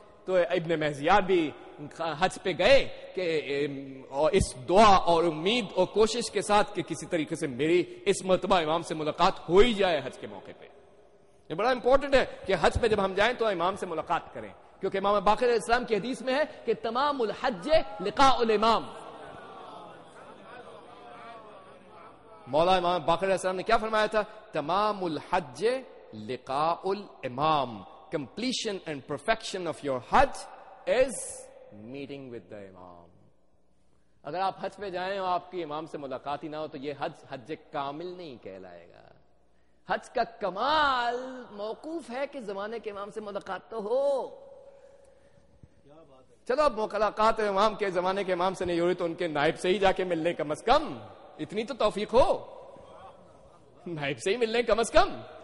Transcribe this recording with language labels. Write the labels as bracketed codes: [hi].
[ur] تو ابن محزیار بھی حج پہ گئے کہ اس دعا اور امید اور کوشش کے ساتھ کہ کسی طریقے سے میری اس مرتبہ امام سے ملاقات ہو ہی جائے حج کے موقع پہ. یہ بڑا امپورٹنٹ ہے کہ حج پہ جب ہم جائیں تو امام سے ملاقات کریں. کیونکہ امام باقر علیہ السلام کی حدیث میں ہے کہ [ar] تمام الحج لقاء الامام. [ur] مولا امام باقر علیہ السلام نے کیا فرمایا تھا؟ [ar] تمام الحج لقاء الامام. [en] Completion and perfection of your حج is meeting with the امام. [ur] اگر آپ حج پہ جائیں اور آپ کی امام سے ملاقات ہی نہ ہو تو یہ حج حج کامل نہیں کہلائے گا. حج کا کمال موقوف ہے کہ زمانے کے امام سے ملاقات تو ہو. چلو اب ملاقات امام کے زمانے کے امام سے نہیں ہوئی تو ان کے نائب سے ہی جا کے ملنے کم از کم, اتنی تو توفیق ہو نائب سے ہی ملنے کم از کم.